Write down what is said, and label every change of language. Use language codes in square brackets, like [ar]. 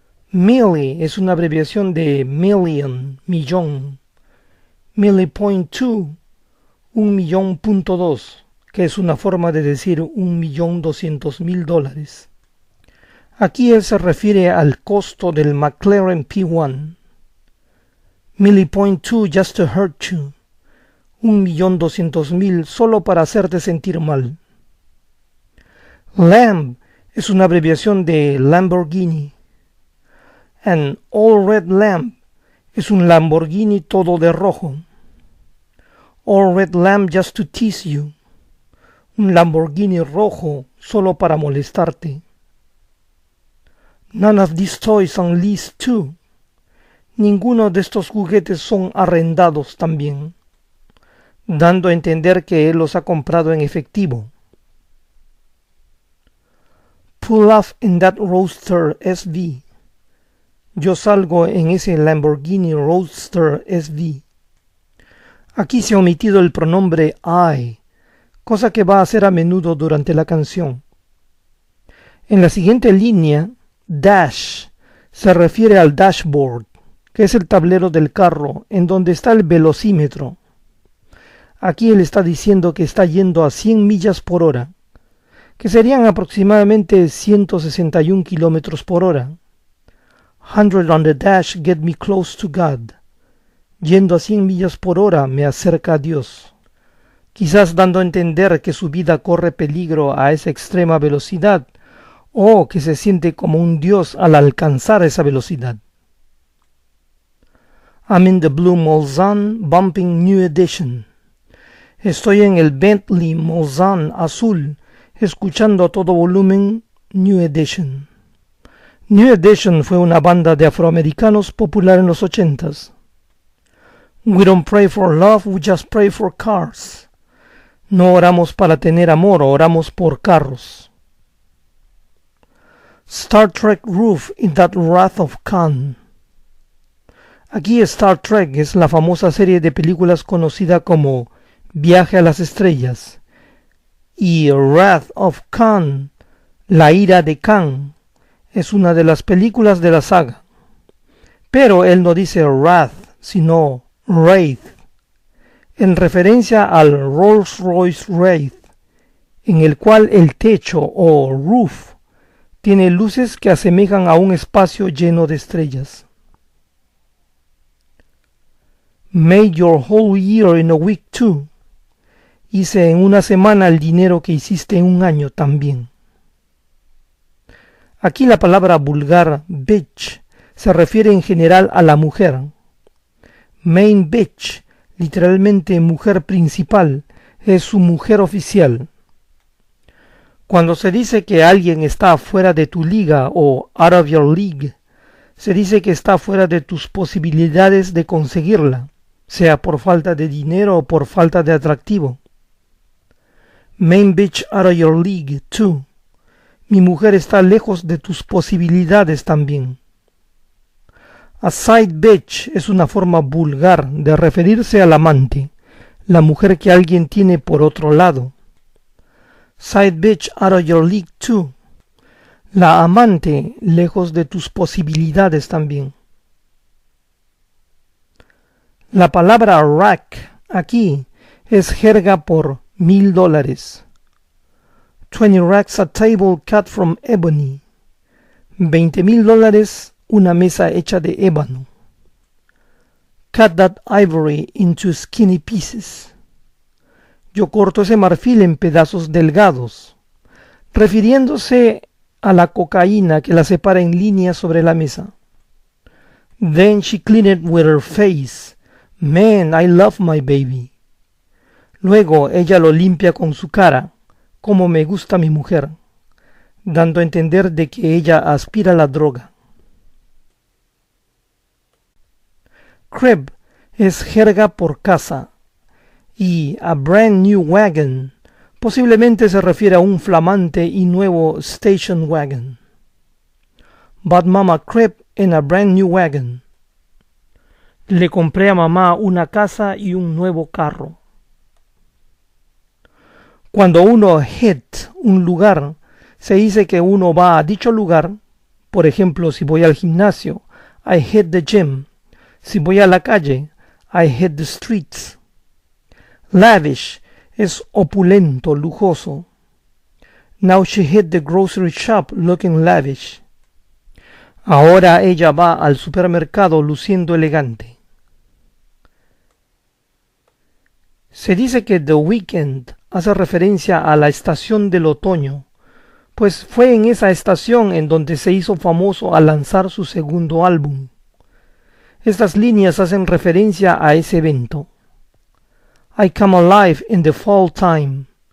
[es] Millie es una abreviación de million, millón. [en] Millie point two, [es] 1.2 millones, que es una forma de decir 1.200.000 dólares. Aquí él se refiere al costo del McLaren P1. [en] Millie point two just to hurt you. [es] 1.200.000 solo para hacerte sentir mal. Lamb es una abreviación de Lamborghini. [en] An all red lamb [es] es un Lamborghini todo de rojo. [en] All red lamb just to tease you. [es] Un Lamborghini rojo solo para molestarte. [en] None of these toys on lease too. [es] Ninguno de estos juguetes son arrendados también, dando a entender que él los ha comprado en efectivo. [en] Pull off in that Roadster SV. [es] Yo salgo en ese Lamborghini Roadster SV. Aquí se ha omitido el pronombre I, cosa que va a hacer a menudo durante la canción. En la siguiente línea, dash se refiere al dashboard, que es el tablero del carro en donde está el velocímetro. Aquí él está diciendo que está yendo a 100 millas por hora, que serían aproximadamente 161 kilómetros por hora. [en] 100 on the dash get me close to God. [es] Yendo a 100 millas por hora me acerca a Dios. Quizás dando a entender que su vida corre peligro a esa extrema velocidad, o que se siente como un Dios al alcanzar esa velocidad. [en] I'm in the blue Mulsanne bumping new edition. [es] Estoy en el Bentley Mulsanne azul, escuchando a todo volumen New Edition. New Edition fue una banda de afroamericanos popular en los 80s. [en] We don't pray for love, we just pray for cars. [es] No oramos para tener amor, oramos por carros. Star Trek roof in that Wrath of Khan. Aquí Star Trek es la famosa serie de películas conocida como Viaje a las Estrellas, y Wrath of Khan, la ira de Khan, es una de las películas de la saga. Pero él no dice Wrath, sino Wraith, en referencia al Rolls Royce Wraith, en el cual el techo o roof tiene luces que asemejan a un espacio lleno de estrellas. [en] Made your whole year in a week too. [es] Hice en una semana el dinero que hiciste en un año también. Aquí la palabra vulgar bitch se refiere en general a la mujer. Main bitch, literalmente mujer principal, es su mujer oficial. Cuando se dice que alguien está fuera de tu liga o [en] out of your league, [es] se dice que está fuera de tus posibilidades de conseguirla, sea por falta de dinero o por falta de atractivo. [en] Main bitch out of your league too. [es] Mi mujer está lejos de tus posibilidades también. A side bitch es una forma vulgar de referirse al amante, la mujer que alguien tiene por otro lado. [en] Side bitch out of your league too. [es] La amante lejos de tus posibilidades también. La palabra rack aquí es jerga por $1,000. [en] 20 racks a table cut from ebony. [es] $20,000 una mesa hecha de ébano. [en] Cut that ivory into skinny pieces. [es] Yo corto ese marfil en pedazos delgados, refiriéndose a la cocaína que la separa en línea sobre la mesa. [en] Then she cleaned it with her face. Man, I love my baby. [es] Luego ella lo limpia con su cara, como me gusta mi mujer, dando a entender de que ella aspira a la droga. Crib es jerga por casa y [en] a brand new wagon [es] posiblemente se refiere a un flamante y nuevo station wagon. [en] Bought mama crib in a brand new wagon. [es] Le compré a mamá una casa y un nuevo carro. Cuando uno hit un lugar, se dice que uno va a dicho lugar. Por ejemplo, si voy al gimnasio, [en] I hit the gym. [es] Si voy a la calle, [en] I hit the streets. [es] Lavish es opulento, lujoso. [en] Now she hit the grocery shop looking lavish. [es] Ahora ella va al supermercado luciendo elegante. Se dice que The Weeknd hace referencia a la estación del otoño, pues fue en esa estación en donde se hizo famoso al lanzar su segundo álbum. Estas líneas hacen referencia a ese evento. [en] I come alive in the fall time.